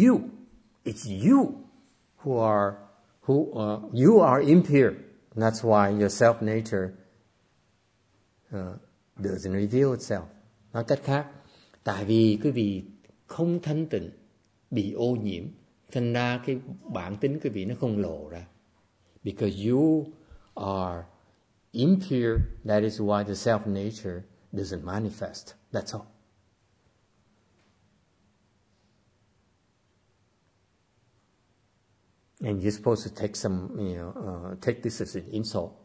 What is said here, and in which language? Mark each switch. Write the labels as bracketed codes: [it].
[en] You, it's you who are you are impure. That's why your self nature doesn't reveal itself. [vi] Nói cách khác, tại vì quý vị không thanh tịnh, bị ô nhiễm, thành ra cái bản tính quý vị nó không lộ ra. [en] Because you are impure, that is why the self nature doesn't manifest. That's all. And you're supposed to take some, you know, take this as an insult.